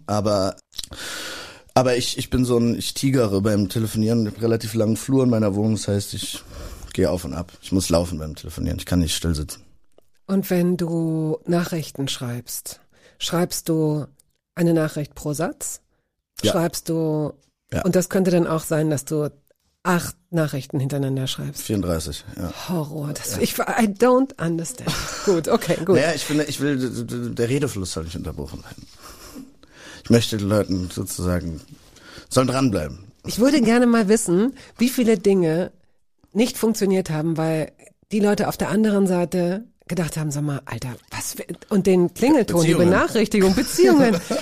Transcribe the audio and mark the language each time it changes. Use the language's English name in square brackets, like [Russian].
[German] Aber ich bin so ein, ich tigere beim Telefonieren, ich hab relativ langen Flur in meiner Wohnung, das heißt, ich gehe auf und ab. Ich muss laufen beim Telefonieren, ich kann nicht still sitzen. Und wenn du Nachrichten schreibst, schreibst du eine Nachricht pro Satz? Ja. Schreibst du... Ja. Und das könnte dann auch sein, dass du 8 Nachrichten hintereinander schreibst. 34, ja. [English] Horror, I don't understand. [German] Gut, okay, gut. Naja, ich will, der Redefluss soll nicht unterbrochen werden. Ich möchte den Leuten sozusagen, sollen dranbleiben. Ich würde gerne mal wissen, wie viele Dinge nicht funktioniert haben, weil die Leute auf der anderen Seite gedacht haben, sag mal, Alter, was, und den Klingelton, die Benachrichtigung, Beziehungen.